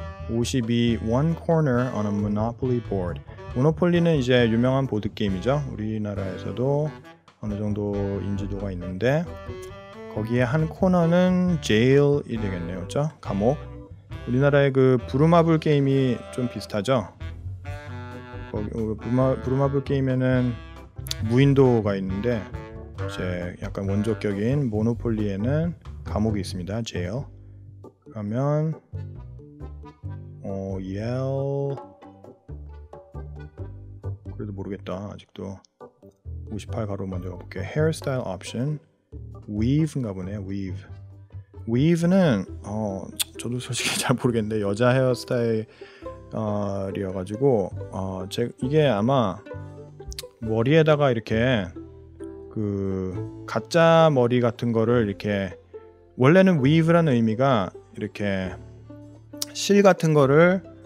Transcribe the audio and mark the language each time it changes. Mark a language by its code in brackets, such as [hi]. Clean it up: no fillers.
[en] 52, one corner on a Monopoly board. [ko] Monopoly는 이제 유명한 보드게임이죠. 우리나라에서도 어느 정도 인지도가 있는데 거기에 한 코너는 jail이 되겠네요. 그렇죠? 감옥. 우리나라의 그 부루마블 게임이 좀 비슷하죠? 거기 부루마블 게임에는 무인도가 있는데 이제 약간 원조격인 모노폴리에는 감옥이 있습니다. [en] jail. [ko] 그러면 yell 그래도 모르겠다. 아직도 58 가로 먼저 가볼게요. [en] hairstyle option weave인가 [ko] 보네. [en] weave. [ko] weave는 저도 솔직히 잘 모르겠는데 여자 헤어스타일이어가지고 이게 아마 머리에다가 이렇게 그 가짜 머리 같은 거를 이렇게 원래는 weave라는 의미가 이렇게 실 같은 거를